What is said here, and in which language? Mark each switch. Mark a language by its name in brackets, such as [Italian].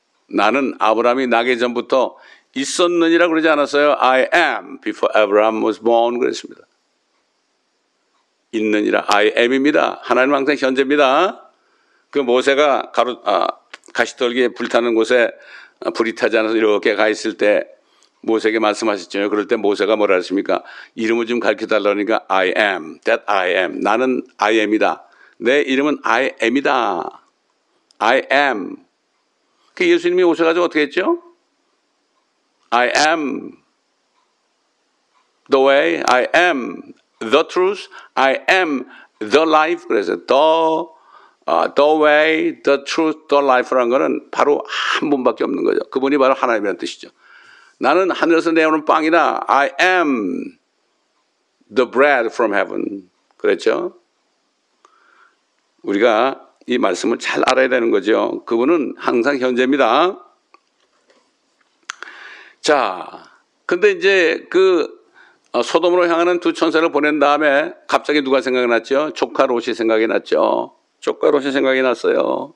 [Korean] 나는 아브라함이 나기 전부터 있었느니라 그러지 않았어요. [English] I am before Abraham was born [Korean] 그랬습니다. 있느니라. [English] I am [Korean] 입니다. 하나님은 항상 현재입니다. 그 모세가 가시떨기에 불타는 곳에 불이 타지 않아서 이렇게 가 있을 때 모세에게 말씀하셨죠. 그럴 때 모세가 뭐라 했습니까? 이름을 좀 가르쳐달라고 하니까 [English] I am. That I am. [Korean] 나는 [English] I am이다. [Korean] 내 이름은 [English] I am이다. I am. [Korean] 그 예수님이 오셔가지고 어떻게 했죠? [English] I am the way, I am the truth, I am the life. [Korean] 그래서 [English] the way, the truth, the life [Korean] 라는 것은 바로 한 분밖에 없는 거죠. 그분이 바로 하나님이라는 뜻이죠. 나는 하늘에서 내오는 빵이다. [English] I am the bread from heaven. [Korean] 그랬죠? 우리가 이 말씀을 잘 알아야 되는 거죠. 그분은 항상 현재입니다. 자, 근데 이제 그 소돔으로 향하는 두 천사를 보낸 다음에 갑자기 누가 생각이 났죠? 조카 롯이 생각이 났죠. 조카 롯이 생각이 났어요.